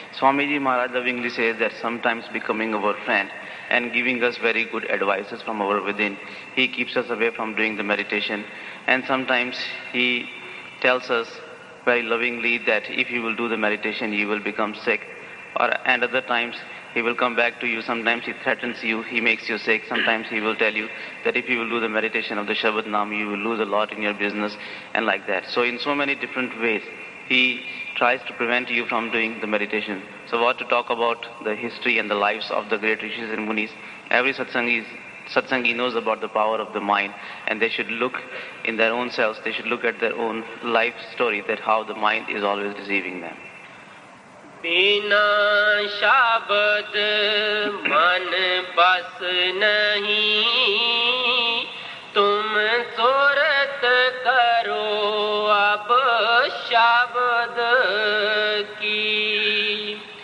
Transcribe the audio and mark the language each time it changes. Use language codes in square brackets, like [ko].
[en] Swami ji Maharaj lovingly says that sometimes becoming our friend and giving us very good advices from our within, he keeps us away from doing the meditation, and sometimes he tells us very lovingly that if you will do the meditation you will become sick or and other times he will come back to you, sometimes he threatens you, he makes you sick, sometimes he will tell you that if you will do the meditation of the Shabad Naam you will lose a lot in your business and like that. So in so many different ways he tries to prevent you from doing the meditation. So what to talk about the history and the lives of the great rishis and munis? Every satsangi knows about the power of the mind, and they should look in their own selves, they should look at their own life story, that how the mind is always deceiving them. [hi] ਬਿਨਾ ਸ਼ਬਦ ਮਨ ਬਸ ਨਹੀਂ, ਤੁਮ ਸੁਰਤ ਕਰੋ ਅਬ ਸ਼ਬਦ ਕੀ.